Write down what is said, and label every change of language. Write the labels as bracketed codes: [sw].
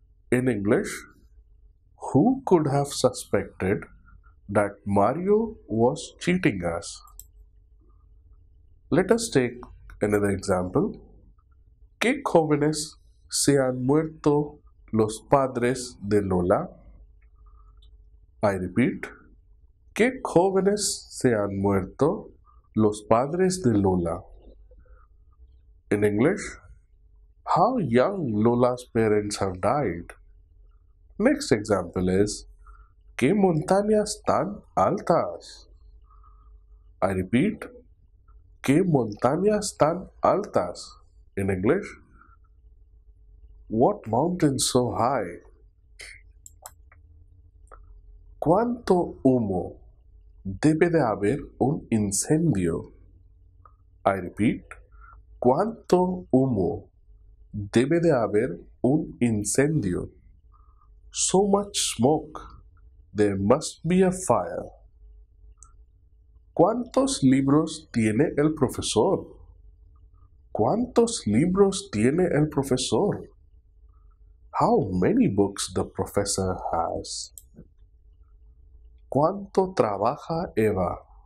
[en] In English, who could have suspected that Mario was cheating us? Let us take another example. [es] ¿Qué jóvenes se han muerto los padres de Lola? [en] I repeat. [es] ¿Qué jóvenes se han muerto los padres de Lola? [en] In English, how young Lola's parents have died. Next example is, [es] ¿qué montañas tan altas? [en] I repeat, [es] ¿qué montañas tan altas? [en] In English, what mountains so high? [es] ¿Cuánto humo debe de haber un incendio? [en] I repeat, [es] ¿cuánto humo debe de haber un incendio? [en] So much smoke, there must be a fire. [es] ¿Cuántos libros tiene el profesor? ¿Cuántos libros tiene el profesor? [en] How many books the professor has? [es] ¿Cuánto trabaja Eva?